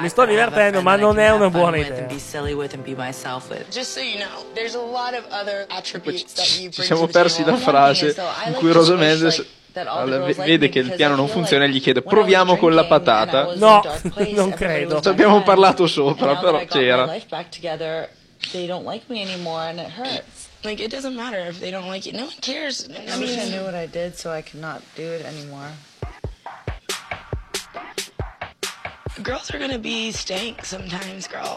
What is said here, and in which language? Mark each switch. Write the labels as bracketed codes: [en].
[it] Mi sto divertendo, ma non è una buona idea. [en] Be silly with and be myself with. Just so you know, there's a lot of other attributes that you bring to the table. [it] Ci siamo persi da frase in cui Rosa Mendes vede che il piano non funziona e gli chiede: proviamo con la patata. No, non credo. Ci abbiamo parlato sopra, però c'era. [en] They don't like me anymore and it hurts. Like, it doesn't matter if they don't like you. No one cares. I wish I knew what I did so I could not do it anymore. Girls are gonna be stank sometimes, girl.